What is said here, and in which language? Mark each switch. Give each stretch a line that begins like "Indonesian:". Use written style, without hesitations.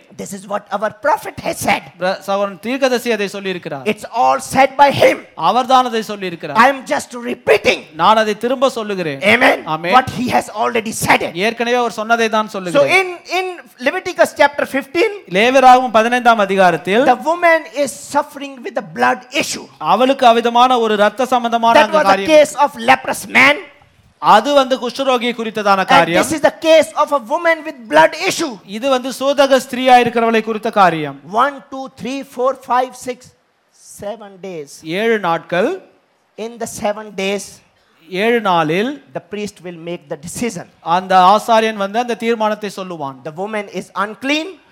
English: This is what our prophet has said.
Tamil: சகோதரன் தீர்க்கதரிசி அதை சொல்லி இருக்கிறார்.
English: It's all said by him.
Tamil: அவர்தான் அதை சொல்லி இருக்கிறார்.
English: I am just repeating.
Tamil: நான் அதை திரும்ப சொல்லுகிறேன்.
English: Amen. Amen. What he has already said.
Tamil: ஏற்கனவே அவர் சொன்னதை தான் சொல்லுகிறேன்.
English: So in Leviticus chapter 15
Tamil: லேவியராகமம் 15ஆம் அதிகாரத்தில்
English: the woman is suffering with the blood issue.
Tamil: அவளுக்கு அவிதமான ஒரு இரத்த சம்பந்தமான அந்த காரியம்.
English: That was the case of leprous man.
Tamil: அது வந்து குஷ்டரோகியை குறித்ததான காரியம்.
English: This is the case of a woman with blood issue.
Tamil: இது வந்து சோதக ஸ்திரீயா இருக்கிறவளை குறித்த காரியம்.
English: 1 2 3 4 5 6 7 days.
Tamil: 7 நாட்கள்.
English: In the 7 days
Tamil: 7 நாளில்
English: the priest will make the decision.
Tamil: அந்த ஆசாரியன் வந்து அந்த தீர்மானத்தை சொல்லுவான்.
English: The woman is unclean.